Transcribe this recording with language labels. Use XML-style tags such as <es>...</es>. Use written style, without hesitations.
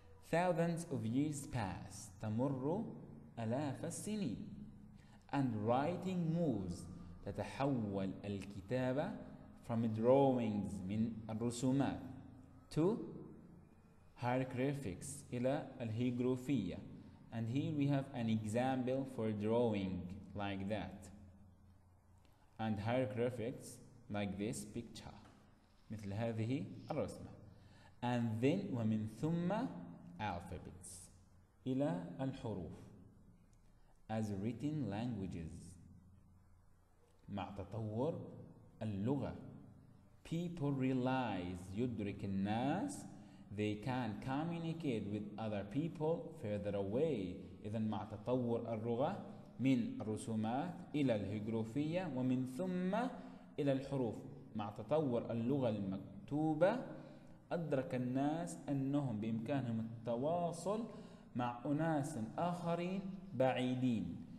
<en>Thousands of years pass,</en> <ar>تمر آلاف السنين.</ar> <en>And writing moves,</en> <ar>تتحول الكتابة</ar> <en>from drawings,</en> <ar>من الرسومات,</ar> <en>to hieroglyphics,</en> <ar>إلى الهيغروفية.</ar> <en>And here we have an example for drawing like that. And hieroglyphics like this picture,</en> <ar>مثل هذه الرسمة.</ar> <en>And then,</en> <ar>ومن ثم,</ar> <en>alphabets,</en> <ar>إلى الحروف.</ar> <en>As written languages,</en> <ar>مع تطور اللغة.</ar> <en>People realize,</en> <ar>يدرك الناس,</ar> <en>they can communicate with other people further away.</en> <ar>إذن مع تطور اللغة, من الرسومات إلى الهيغروفية ومن ثم إلى الحروف. مع تطور اللغة المكتوبة أدرك الناس أنهم بإمكانهم التواصل مع أناس آخرين بعيدين.</ar>